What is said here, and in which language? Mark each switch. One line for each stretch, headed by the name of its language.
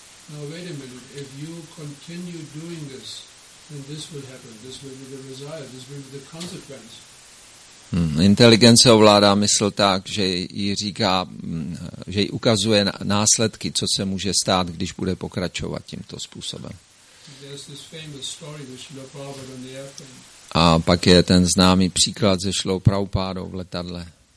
English: Now wait a minute, if you continue doing this, then this will happen, this will be the result, this will be the consequence.
Czech: Inteligence ovládá mysl tak, že jí říká, že jí ukazuje následky, co se může stát, když bude pokračovat tímto způsobem.
English: There's this famous story with Srila Prabhupada on the airplane.
Czech: A pak je ten známý příklad se Šrilou Prabhupádou v letadle.